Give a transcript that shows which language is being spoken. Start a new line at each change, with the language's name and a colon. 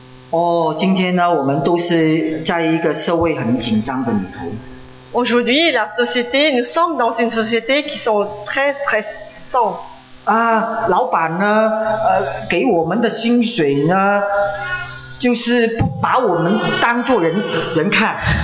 Chinese: 哦，今天呢，我们都是在一个社会很紧张的里头。
French: Aujourd'hui, la société, nous sommes dans une société qui sont très stressants.
Chinese: Ah, 老板呢，给我们的薪水呢，就是不把我们当作人人看。